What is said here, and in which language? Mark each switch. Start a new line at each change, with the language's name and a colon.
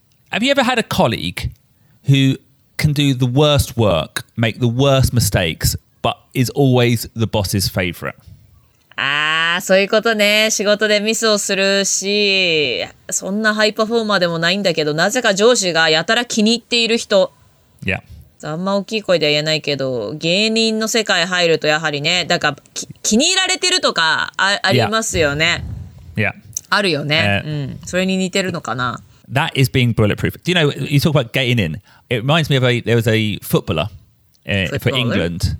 English: Have you ever had a colleague who can do the worst work, make the worst mistakes, but is always the boss's favorite?
Japanese: ああ、そういうことね。仕事でミスをするし、そんなハイパフォーマーでもないんだけど、なぜか上司がやたら気に入っている人
English: Yeah.
Japanese: あんま大きい声では言えないけど、芸人の世界入るとやはりね、だから気に入られてるとかありますよね。
English: Yeah. Yeah.
Japanese: あるよね。それに似てるのかな。
English: That is being bulletproof. Do you know, you talk about getting in. It reminds me of there was a footballer for England.